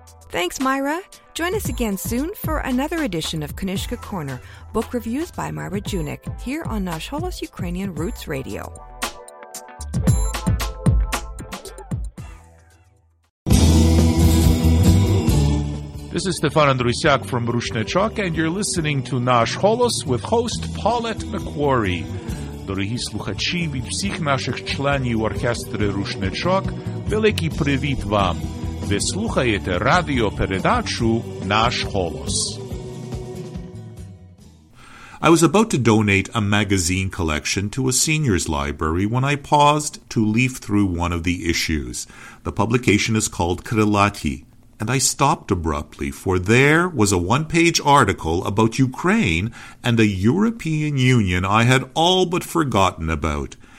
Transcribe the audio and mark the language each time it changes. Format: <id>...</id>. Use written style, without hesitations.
<en>Thanks, Myra. Join us again soon for another edition of Konishka Corner, book reviews by Myra Junik, here on Nash Holos Ukrainian Roots Radio. This is Stefan Andrusiak from Rushnechok, and you're listening to Nash Holos with host Paulette McQuarrie.</en> <uk>Дорогі слухачі від всіх наших членів оркестри «Рушничок», великий привіт вам! Ви слухаєте радіопередачу «Наш голос».</uk> <en>I was about to donate a magazine collection to a seniors library when I paused to leaf through one of the issues. The publication is called «Крилаті», and I stopped abruptly, for there was a one-page article about Ukraine and a European Union I had all but forgotten about.</en>